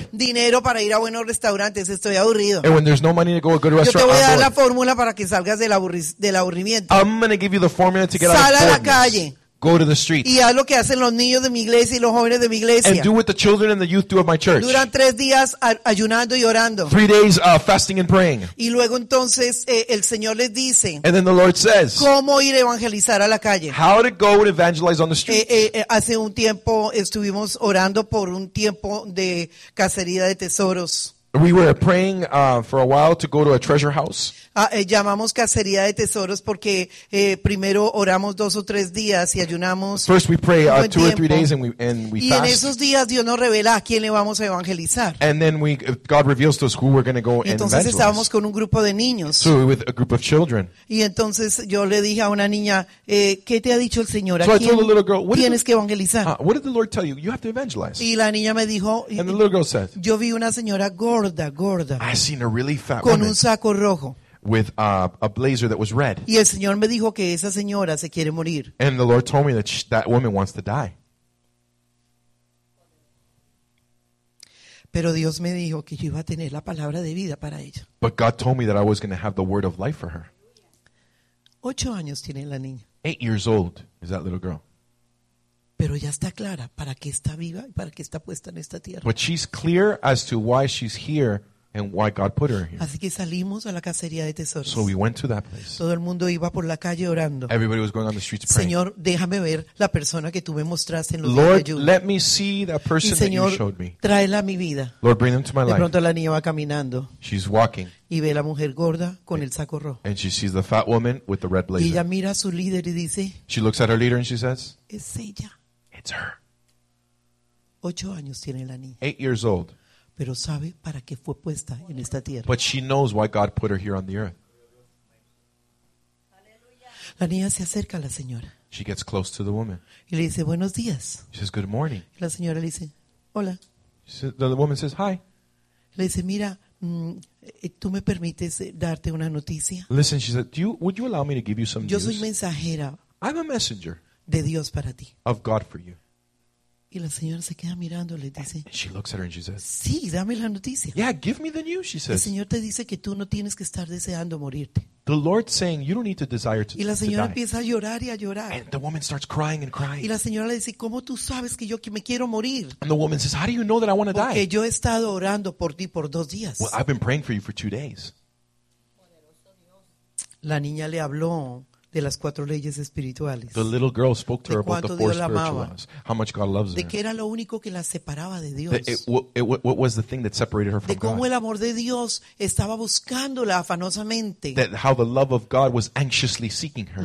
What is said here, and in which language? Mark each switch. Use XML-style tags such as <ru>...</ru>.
<es>Y cuando no hay dinero para ir a buenos restaurantes, estoy aburrido.</es> <en>And when there's no money to go to a good restaurant,</en> <es>yo te voy a dar</es> <en>bored.</en> <es>La fórmula para que salgas del aburrimiento.</es> <en>I'm gonna give you the formula to get</en> <es>sal</es> <en>out of boredness.</en> <es>A la calle.</es> <en>Go to the streets.</en> <es>Y haz lo que hacen los niños de mi iglesia y los jóvenes de mi iglesia.</es> <en>And do what the children and the youth do at my church.</en> <es>Duran tres días ayunando y orando.</es> <en>3 days fasting and praying.</en> <es>Y luego entonces el Señor les dice.</es> <en>And then the Lord says.</en> <es>¿Cómo ir a evangelizar a la calle?</es> <en>How to go and evangelize on the streets.</en> <es>Hace un tiempo estuvimos orando por un tiempo de cacería de tesoros.</es> <en>We were praying for a while to go to a treasure house.</en> <es>Llamamos cacería de tesoros porque primero oramos dos o tres días y ayunamos.</es> <en>First we pray two or three days and we fast.</en> <es>Y en esos días Dios nos revela a quién le vamos a evangelizar.</es> <en>And then God reveals to us who we're going to go and evangelize.</en> <es>Entonces estábamos con un grupo de niños.</es> <en>So with a group of children.</en> <es>Y entonces yo le dije a una niña, ¿qué te ha dicho el Señor?</es> <en>So I told the little girl,</en> <es>tienes que evangelizar.</es> <en>What did the Lord tell you? You have to evangelize.</en> <es>Y la niña me dijo,</es> <en>and the little girl said,</en> <es>yo vi una señora gorda.</es> <en>I seen a really fat</en> <es>con</es> <en>woman.</en> <es>Un saco rojo.</es> <en>With a blazer that was red.</en> <es>Y el Señor me dijo que esa señora se quiere morir.</es> <en>And the Lord told me that that woman wants to die.</en> <es>Pero Dios me dijo que yo iba a tener la palabra de vida para ella.</es> <en>But God told me that I was going to have the word of life for her.</en> <es>8 años tiene la niña.</es> <en>8 years old is that little girl.</en> <es>Pero ya está clara para qué está viva y para qué está puesta en esta tierra.</es> <en>But she's clear as to why she's here. And why God put her here.</en> <es>Así que salimos a la cacería de tesoros.</es> <en>So we went to that place.</en> <es>Todo el mundo iba por la calle orando.</es> <en>Everybody was going on the streets praying.</en> <es>Señor, déjame ver la persona que tú me mostraste en los</es> <en>Lord,</en> <es>días de</es> <en>let me see that person</en> <es>y Señor,</es> <en>that you showed me.</en> <es>Tráela a mi vida.</es> <en>Lord, bring them to my life.</en> <es>De pronto la niña va caminando.</es> <en>She's walking.</en> <es>Y ve la mujer gorda con el saco rojo.</es> <en>And she sees the fat woman with the red blazer.</en> <es>Y ella mira a su líder y dice.</es> <en>She looks at her leader and she says.</en> <es>Es ella.</es> <en>It's her.</en> <es>8 años tiene la niña.</es> <en>8 years old.</en> <es>Pero sabe para qué fue puesta en esta tierra.</es> <en>But she knows why God put her here on the earth.</en> <es>La niña se acerca a la señora.</es> <en>She gets close to the woman.</en> <es>Y le dice buenos días.</es> <en>She says good morning.</en> <es>Y la señora le dice hola.</es> <en>The woman says hi.</en> <es>Le dice mira, ¿tú me permites darte una noticia?</es> <en>Listen, she said, would you allow me to give you some</en> <es>yo</es> <en>news?</en> <es>Yo soy mensajera.</es> <en>I'm a messenger.</en> <es>De Dios para ti.</es> <en>Of God for you.</en> <es>Y la señora se queda mirando y le dice.</es> <en>She looks at her and she says,</en> <es>sí, dame la noticia.</es> <en>Yeah, give me the news, she says.</en> <es>El Señor te dice que tú no tienes que estar deseando morirte.</es> <en>The Lord's saying you don't need to desire to die.</en> <es>Y la señora empieza a llorar y a llorar.</es> <en>And the woman starts crying and crying.</en> <es>Y la señora le dice, ¿cómo tú sabes que yo que me quiero morir?</es> <en>And the woman says, how do you know that I want to die?</en> <es>Porque yo he estado orando por ti por 2 días.</es> <en>Well, I've been praying for you for 2 days.</en> <es>La niña le habló de las cuatro leyes espirituales.</es> <en>The little girl spoke to her about the four spiritual laws. How much God loves her.</en> <es>De qué era lo único que la separaba de Dios.</es> <en>What was the thing that separated her from God?</en> <es>De cómo el amor de Dios estaba buscándola afanosamente.</es> <en>That how the love of God was anxiously seeking her.</en>